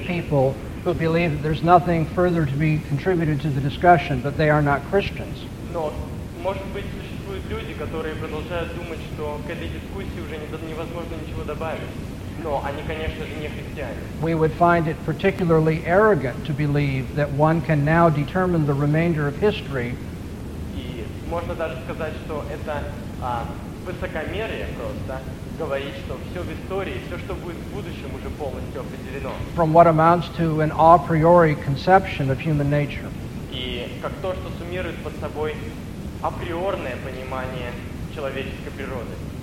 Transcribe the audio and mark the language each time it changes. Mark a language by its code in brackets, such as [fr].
[en] people who believe that there's nothing further to be contributed to the discussion, but they are not Christians. [ru] Но может быть существуют люди, которые продолжают думать, что к этой дискуссии уже невозможно ничего добавить. Но они, конечно же, не христиане. [en] We would find it particularly arrogant to believe that one can now determine the remainder of history. [ru] И можно даже сказать, что это высокомерие просто говорить, что все в истории, все, что будет в будущем, уже полностью определено. [en] From what amounts to an a priori conception of human nature. [ru] И как то, что суммирует под собой априорное понимание человеческой природы.